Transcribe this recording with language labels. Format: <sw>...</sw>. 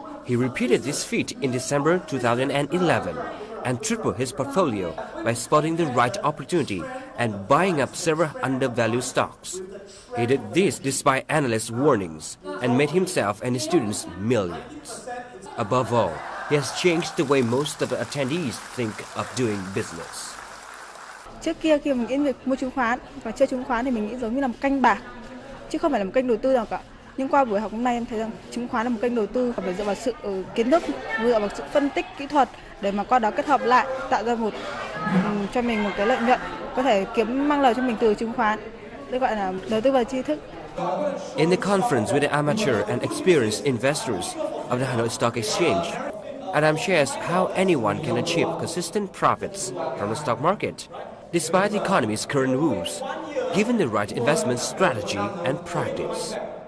<en>He repeated this feat in December 2011 and tripled his portfolio by spotting the right opportunity and buying up several undervalued stocks. He did this despite analysts' warnings and made himself and his students millions. Above all, he has changed the way most of the attendees think of doing business.</en> <vi>Trước kia khi mà nghĩ về mua chứng khoán và chơi chứng khoán thì mình nghĩ giống như là một kênh bạc chứ không phải là một kênh đầu tư nào cả. Nhưng qua buổi học hôm nay em thấy rằng chứng khoán là một kênh đầu tư phải dựa vào sự kiến thức, dựa vào sự phân tích kỹ thuật để mà qua đó kết hợp lại tạo ra một cho mình một cái lợi nhuận có thể kiếm mang lời cho mình từ chứng khoán. Đây gọi là đầu tư vào tri thức.</vi> <en>In the conference with the amateur and experienced investors of the Hanoi Stock Exchange, Adam shares how anyone can achieve consistent profits from the stock market. Despite the economy's current woes, given the right investment strategy and practice.</en>